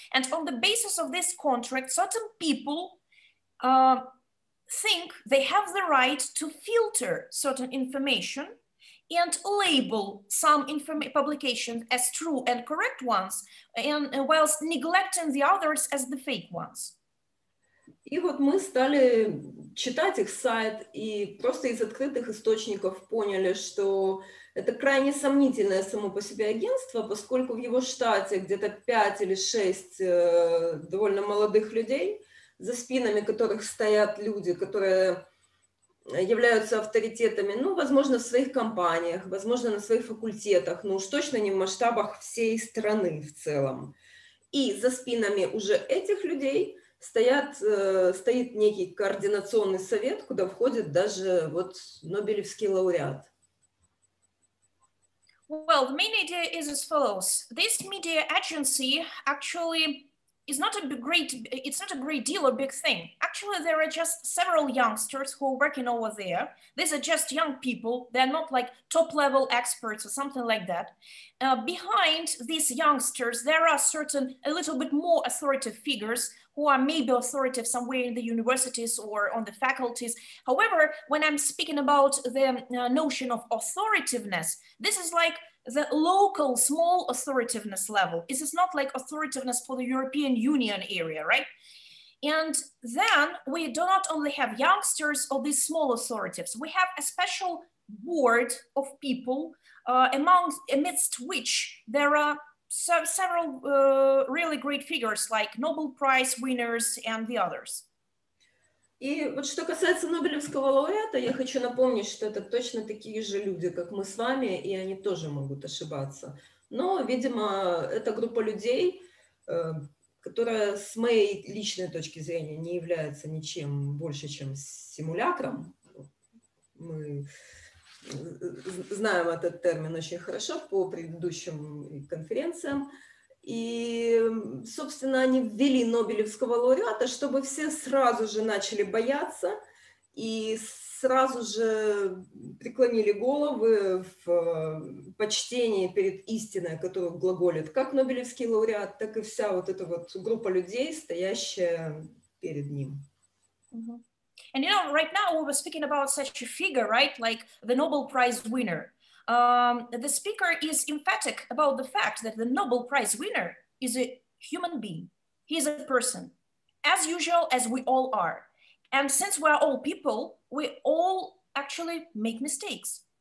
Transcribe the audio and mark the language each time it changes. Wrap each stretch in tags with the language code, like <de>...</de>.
<en>And on the basis of this contract, certain people think they have the right to filter certain information and label some publications as true and correct ones, and whilst neglecting the others as the fake ones.</en> <ru>И вот мы стали читать их сайт и просто из открытых источников поняли, что это крайне сомнительное само по себе агентство, поскольку в его штате где-то 5 или 6 довольно молодых людей, за спинами которых стоят люди, которые являются авторитетами, ну, возможно, в своих компаниях, возможно, на своих факультетах, но уж точно не в масштабах всей страны в целом. И за спинами уже этих людей стоит некий координационный совет, куда входит даже вот Нобелевский лауреат.</ru> <en>Well, the main idea is as follows. This media agency actually is not a great, it's not a great deal, a big thing. Actually, there are just several youngsters who are working over there. These are just young people. They're not like top level experts or something like that. Behind these youngsters, there are certain a little bit more authoritative figures who are maybe authoritative somewhere in the universities or on the faculties. However, when I'm speaking about the notion of authoritativeness, this is like the local small authoritativeness level. This is not like authoritativeness for the European Union area, right? And then we do not only have youngsters or these small authoritatives, we have a special board of people amidst which there are several really great figures like Nobel Prize winners and the others.</en> <ru>И вот что касается Нобелевского лауреата, я хочу напомнить, что это точно такие же люди, как мы с вами, и они тоже могут ошибаться. Но, видимо, это группа людей, которая с моей личной точки зрения не является ничем больше, чем симулякром. Мы знаем этот термин очень хорошо по предыдущим конференциям. И, собственно, они ввели Нобелевского лауреата, чтобы все сразу же начали бояться и сразу же преклонили головы в почтении перед истиной, которую глаголит как Нобелевский лауреат, так и вся вот эта вот группа людей, стоящая перед ним. Mm-hmm.</ru> <en>And you know, right now we were speaking about such a figure, right? Like the Nobel Prize winner. The speaker is emphatic about the fact that the Nobel Prize winner is a human being. He is a person, as usual as we all are. And since we are all people, we all actually make mistakes.</en>